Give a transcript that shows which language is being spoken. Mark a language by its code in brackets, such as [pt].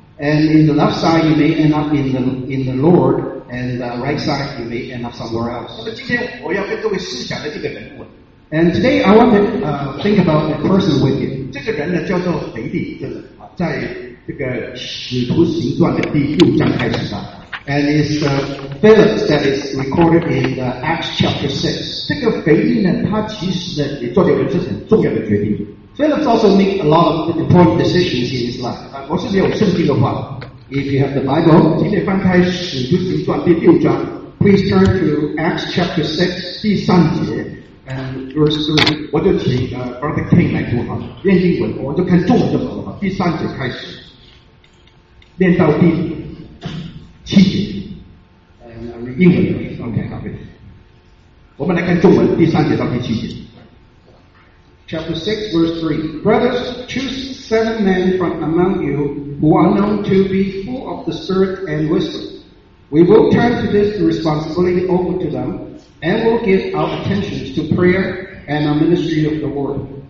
[en] And in the left side, you may end up in the Lord, and the right side, you may end up somewhere else. [zh] 那么今天我要跟各位思想的这个人物。 [en] And today I want to think about a person with you. [zh] 这个人呢叫做腓力，在这个使徒行传的第六章开始的。 [en] And it's Philip that is recorded in Acts chapter 6. [zh] 这个腓力呢，他其实呢也做了一个很重要的决定。 [en] Philip also made a lot of important decisions in his life. [zh] 我是没有圣经的话 [en] ，If you have the Bible， [zh] 请你翻开使徒行传第六章 [en] ，Please turn to Acts chapter 6, [zh] 第三节。 [en] And verse 3, [zh] 我就请Brother King 来读哈，念英文，我就看中文就好了哈。第三节开始，念到第七节，英文，OK， 好，我们来看中文，第三节到第七节。 [en] Chapter 6, verse 3. Brothers, choose 7 men from among you who are known to be full of the Spirit and wisdom. We will turn to this responsibility over to them and will give our attention to prayer and our ministry of the word.